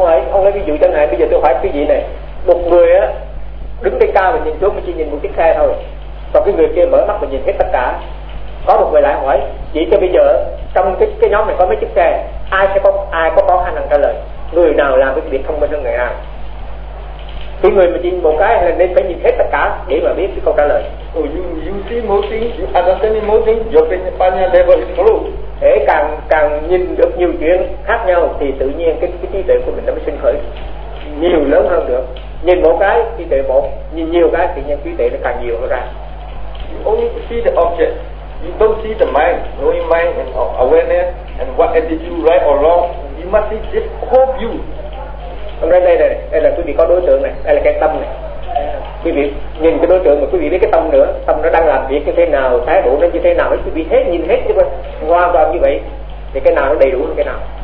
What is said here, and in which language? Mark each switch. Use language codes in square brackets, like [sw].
[vi] Ông lấy ví dụ chẳng hạn, bây giờ tôi hỏi quý vị này, một người á, đứng trên cao mình nhìn xuống, mình chỉ nhìn một chiếc xe thôi. Còn cái người kia mở mắt mình nhìn hết tất cả. Có một người lại hỏi, chỉ cho bây giờ trong cái nhóm này có mấy chiếc xe, ai sẽ có ai có khó khăn hơn trả lời, người nào làm cái việc thông minh hơn người nào? Thì người mà nhìn một cái nên phải nhìn hết tất cả để mà biết cái câu trả lời. [en] Oh, you see more things, you understand more things, your opinion level is true. [vi] Thế càng nhìn được nhiều chuyện khác nhau thì tự nhiên cái trí tuệ của mình nó mới sinh khởi nhiều lớn hơn được. Nhìn một cái trí tuệ một, nhìn nhiều cái thì nhân trí tuệ nó càng nhiều hơn ra. [en] You only see the object, you don't see the mind, knowing mind and awareness and what attitude right or wrong. You must see this whole view. [vi] Hôm nay đây này, đây là quý vị có đối tượng này, đây là cái tâm này. Quý vị nhìn cái đối tượng mà quý vị biết cái tâm nữa, tâm nó đang làm việc như thế nào, thái độ nó như thế nào, quý vị hết nhìn hết chứ không hoàn toàn như vậy. Thì cái nào nó đầy đủ hơn cái nào?